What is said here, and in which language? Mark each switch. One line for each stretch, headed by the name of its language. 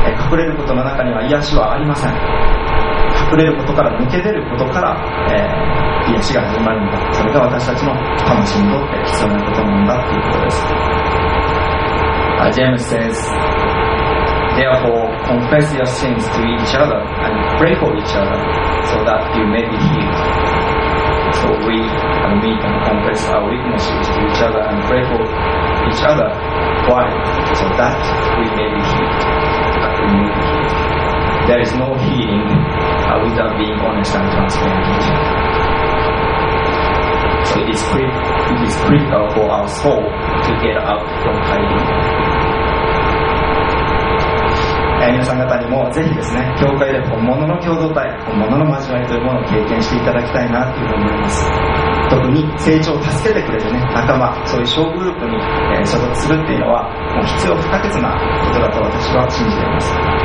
Japanese: 隠れることの中には癒しはありません。隠れることから抜け出ることから、癒しが始まるんだ。それが私たちの魂にとって必要なことなんだということです。
English: ジェームズ says Therefore confess your sins to each other and pray for each other so that you may be healed. So we meet and confess our weaknesses to each other and pray for each otherWhy? So that we may be healed. That we may be healed. There is no healing without being honest and transparent. critical for our soul to get out from hiding.
Japanese: 皆さん方にもぜひですね、教会で本物の共同体、本物の交わりというものを経験していただきたいなというふうに思います。特に成長を助けてくれる、ね、仲間、そういう小グループに所属するっていうのはもう必要不可欠なことだと私は信じています。